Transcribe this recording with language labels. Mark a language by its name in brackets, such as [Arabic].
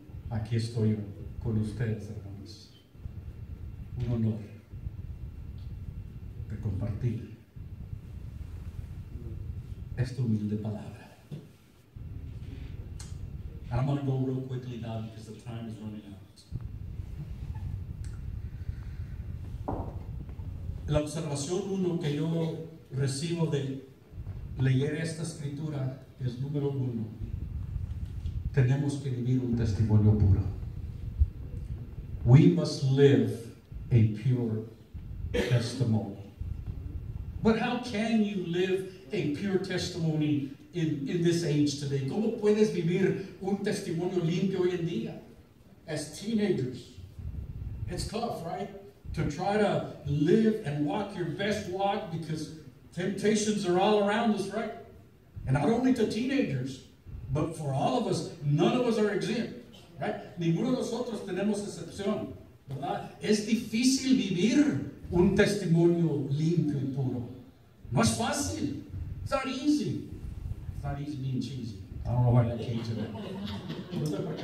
[Spanish] Aquí estoy yo con ustedes, hermanos. Un honor de compartir esta humilde palabra. [English] And I'm going to go real quickly now because the time is running out. [Spanish] La observación uno que yo recibo de leer esta escritura es número uno. Tenemos que vivir un testimonio puro. [English] We must live a pure testimony. But how can you live a pure testimony in this age today? [Spanish] ¿Cómo puedes vivir un testimonio limpio hoy en día? [English] As teenagers, it's tough, right? To try to live and walk your best walk because temptations are all around us, right? And not only to teenagers, but for all of us, none of us are exempt, right? [Spanish] Ninguno de nosotros tenemos excepción, ¿verdad? Es difícil vivir un testimonio limpio y puro. No es fácil. [English] It's not easy. It's not easy being cheesy. I don't know why that came to that.